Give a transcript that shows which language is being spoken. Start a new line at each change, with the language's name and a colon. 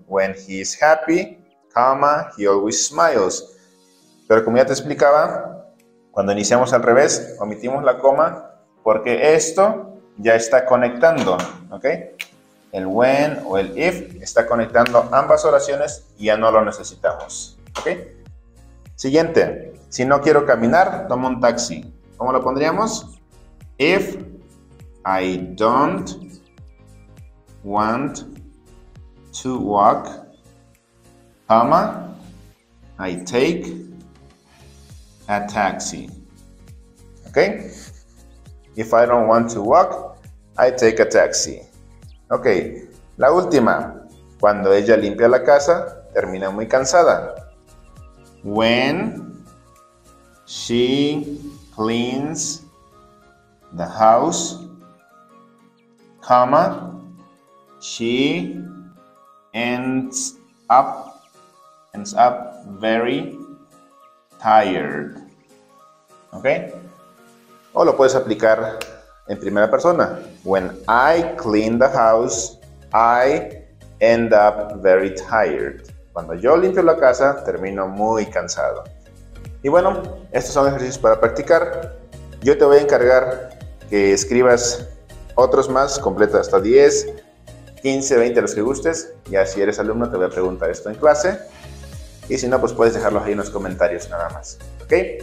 English: When he is happy, comma, he always smiles.
Spanish: Pero como ya te explicaba, cuando iniciamos al revés, omitimos la coma porque esto ya está conectando, ¿ok? El when o el if está conectando ambas oraciones y ya no lo necesitamos. ¿Okay? Siguiente. Si no quiero caminar, tomo un taxi. ¿Cómo lo pondríamos?
English: If I don't want to walk, comma, I take a taxi. ¿Okay? If I don't want to walk, I take a taxi.
Spanish: Ok, la última, cuando ella limpia la casa, termina muy cansada.
English: When she cleans the house, comma, she ends up very tired.
Spanish: Ok, o lo puedes aplicar en primera persona.
English: When I clean the house, I end up very tired.
Spanish: Cuando yo limpio la casa, termino muy cansado. Y bueno, estos son ejercicios para practicar. Yo te voy a encargar que escribas otros más, completa hasta 10, 15, 20, los que gustes. Ya si eres alumno, te voy a preguntar esto en clase. Y si no, pues puedes dejarlos ahí en los comentarios nada más. ¿Ok?